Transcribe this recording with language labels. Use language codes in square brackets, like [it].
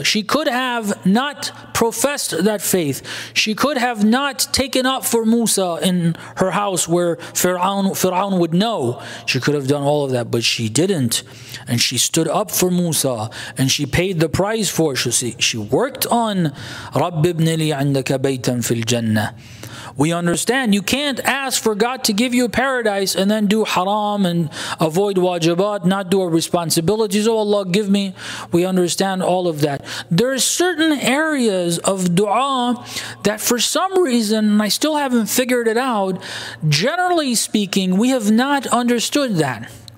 [en] She could have not professed that faith. She could have not taken up for Musa in her house where Fir'aun would know. She could have done all of that, but she didn't. And she stood up for Musa, and she paid the price for it. She worked on [ar] رَبِّ ابْنِ لِي عِنْدَكَ بَيْتًا فِي الْجَنَّةِ. [en] We understand you can't ask for God to give you paradise and then do haram and avoid wajibat, not do our responsibilities. Oh Allah, give me. We understand all of that. There are certain areas of dua that for some reason, and I still haven't figured it out, generally speaking, we have not understood that.